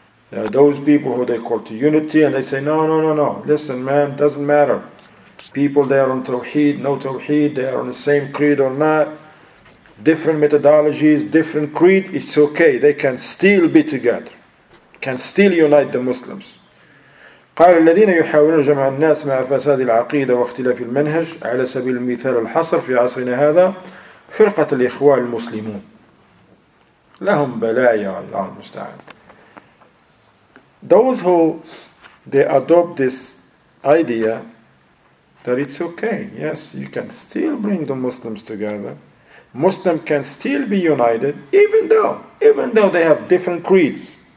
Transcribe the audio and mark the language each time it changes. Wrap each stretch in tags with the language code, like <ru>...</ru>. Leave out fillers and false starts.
<en>Those people who they call to unity and they say no. Listen, man, doesn't matter. People, they are on Tawheed, no Tawheed, they are on the same creed or not. Different methodologies, different creed, it's okay. They can still be together. Can still unite the Muslims.</en> <ar>قال الذين يحاولون جمع الناس مع فساد العقيدة واختلاف المنهج على سبيل المثال الحصر في عصرنا هذا فرقة الإخوان المسلمون. لهم بلايا الله المستعان.</ar> <en>Those who they adopt this idea that it's okay. Yes, you can still bring the Muslims together. Muslims can still be united, even though they have different creeds.</en>